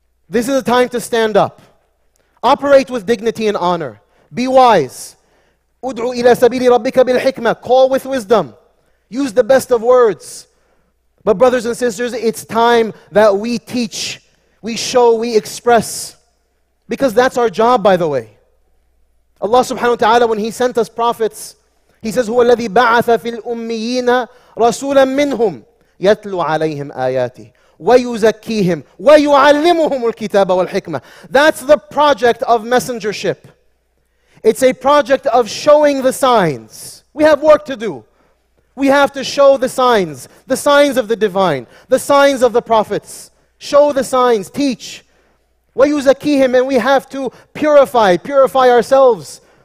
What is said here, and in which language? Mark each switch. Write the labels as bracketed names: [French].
[English] This is a time to stand up. Operate with dignity and honor. Be wise. [Arabic] Udu ila sabili rabbika bil hikmah. [English] Call with wisdom. Use the best of words. But brothers and sisters, it's time that we teach, we show, we express. Because that's our job, by the way. Allah subhanahu wa ta'ala, when He sent us prophets, He says, [Arabic] هُوَ الَّذِي بَعَثَ فِي الْأُمِّيِّينَ رَسُولًا مِّنْهُمْ يَتْلُوا عَلَيْهِمْ آيَاتِهِ وَيُزَكِّيهِمْ وَيُعَلِّمُهُمُ الْكِتَابَ وَالْحِكْمَةِ. [English] That's the project of messengership. It's a project of showing the signs. We have work to do. We have to show the signs of the divine, the signs of the prophets. Show the signs, teach. وَيُزَكِّيهِمْ And we have to purify ourselves.